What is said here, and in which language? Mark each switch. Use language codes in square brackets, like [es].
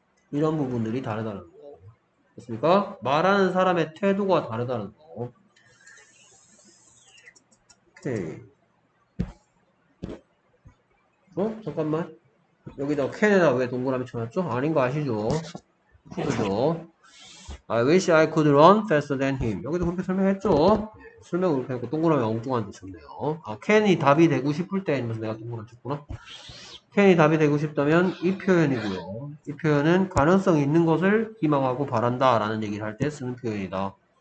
[ko] 이런 부분들이 다르다는 거. 됐습니까? 말하는 사람의 태도가 다르다는 거. 오케이. 잠깐만. 여기다 캔에다 왜 동그라미 쳐놨죠? 아닌 거 아시죠? 그죠? [en] I wish I could run faster than him. [ko] 여기도 그렇게 설명했죠? 설명을 그렇게 했고, 동그라미 엉뚱한 데 쳤네요. 아, 캔이 답이 되고 싶을 때, 이러면서 내가 동그라미 쳤구나. 캔이 답이 되고 싶다면 이 표현이고요. 이 표현은 가능성 있는 것을 희망하고 바란다 라는 얘기를 할때 쓰는 표현이다.